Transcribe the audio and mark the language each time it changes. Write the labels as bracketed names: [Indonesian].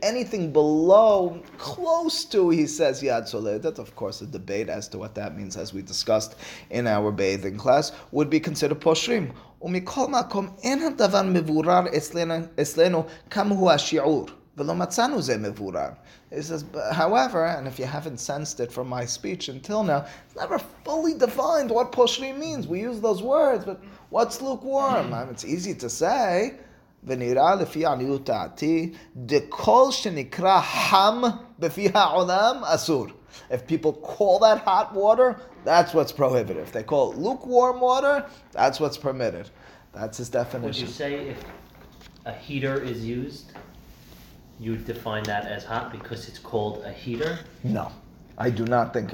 [English] Anything below, close to, he says, Yad Soledet, of course, a debate as to what that means, as we discussed in our bathing class, would be considered poshrim. [Hebrew] ומכל מקום אין הדבר מבורר אצלנו כמה הוא השיעור, ולא מצאנו זה מבורר. [English] He says, however, and if you haven't sensed it from my speech until now, it's never fully defined what poshrim means. We use those words, but what's lukewarm? It's easy to say. [Hebrew] ונראה לפי עניות דעתי, דכל שנקרא חם בפי העולם אסור. [English] If people call that hot water, that's what's prohibited. If they call it lukewarm water, that's what's permitted. That's his definition. Would you say if a heater is used, you'd define that as hot because it's called a heater? No, I do not think.